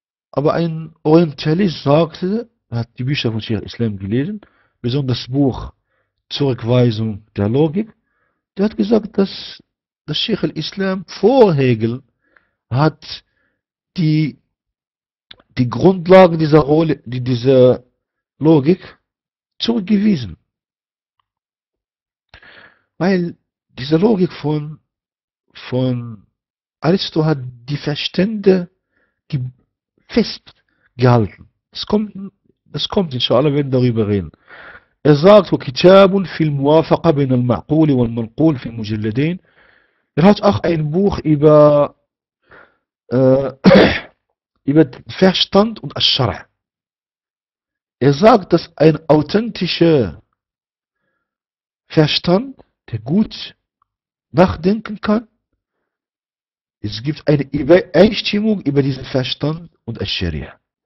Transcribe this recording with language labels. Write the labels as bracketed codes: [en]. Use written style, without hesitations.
[de] Aber ein Orientalist sagte, er hat die Bücher von Sheikh Islam gelesen, besonders das Buch Zurückweisung der Logik, der hat gesagt, dass Sheikh Islam vor Hegel hat die Grundlagen dieser Logik zurückgewiesen. Weil diese Logik von Aristo hat die Verstände festgehalten. Das kommt, inshallah, wenn wir darüber reden. Er sagt, [ar] وَكِتَابٌ فِي الْمُوَافَقَ بَيْنَ الْمَعْقُولِ وَالْمَنْقُولِ فِي مُجَلَّدَيْنِ [de] Er hat auch ein Buch über Verstand und Aschara. Er sagt, dass ein authentischer Verstand, der gut nachdenken kann, es gibt eine Übereinstimmung über diesen Verstand und Aschara.